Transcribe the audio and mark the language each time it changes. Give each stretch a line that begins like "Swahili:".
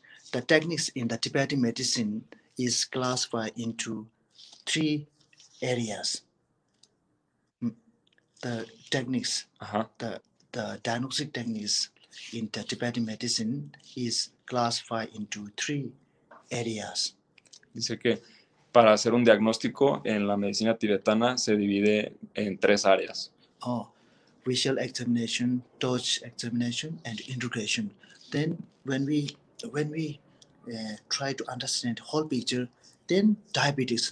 English: The techniques in the Tibetan medicine is classified into three areas. The techniques, the diagnostic techniques in the Tibetan medicine is classified into three areas.
Spanish: Dice que para hacer un diagnóstico en la medicina tibetana se divide en tres áreas.
English: Oh, visual examination, touch examination, and integration. Then when we try to understand whole picture, then diabetes.